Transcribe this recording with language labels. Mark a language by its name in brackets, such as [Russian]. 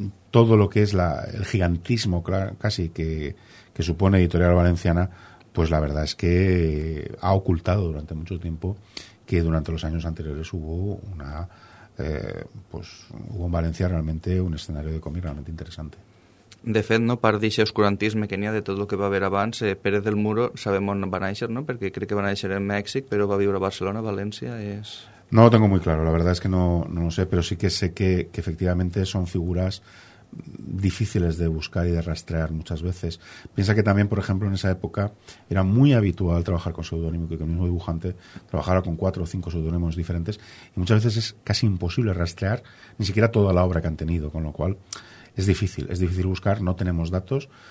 [Spanish] todo lo que es el gigantismo casi que supone Editorial Valenciana, pues la verdad es que ha ocultado durante mucho tiempo que durante los años anteriores hubo hubo en Valencia realmente un escenario de cómic realmente interesante. [Catalan] De fet, no, part d'aquest oscurantisme que n'hi ha de tot el que va haver abans, Pérez del Muro, sabem on va néixer, no? Perquè crec que va néixer en Mèxic, però va viure a Barcelona, València, és... [Spanish] No lo tengo muy claro, la verdad es que no lo sé, pero sí que sé que efectivamente son figuras difíciles de buscar y de rastrear muchas veces. Piensa que también, por ejemplo, en esa época era muy habitual trabajar con seudónimo, que el mismo dibujante trabajara con 4 o 5 seudónimos diferentes, y muchas veces es casi imposible rastrear ni siquiera toda la obra que han tenido, con lo cual es difícil buscar, no tenemos datos.